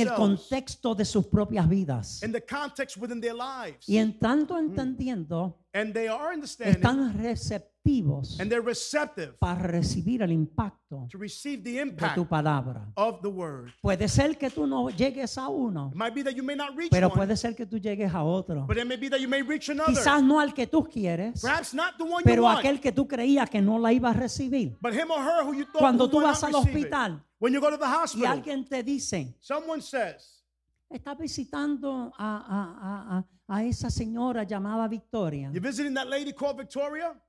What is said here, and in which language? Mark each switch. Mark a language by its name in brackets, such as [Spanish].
[Spanish] En el contexto de sus propias vidas. [English] In the context within their lives. [Spanish] Y en tanto entendiendo. [English] And they are understanding. [Spanish] Están receptivos. [English] And they're receptive. [Spanish] Para recibir el impacto. [English] To receive the impact. [Spanish] De tu palabra. [English] Of the word. [Spanish] Puede ser que tú no llegues a uno. [English] It might be that you may not reach [Spanish] pero [English] one. [Spanish] Puede ser que tú llegues a otro. [English] But it may be that you may reach another. [Spanish] Quizás no al que tú quieres. [English] Perhaps not the one you want. [Spanish] Pero aquel que tú creías que no la iba a recibir. [English] But him or her who you thought [Spanish] cuando tú [English] who [Spanish] vas al hospital. [English] It. When you go to the hospital. [Spanish] Y alguien te dice. [English] Someone says. [Spanish] Está visitando a esa señora llamada Victoria. [English] You're visiting that lady called Victoria?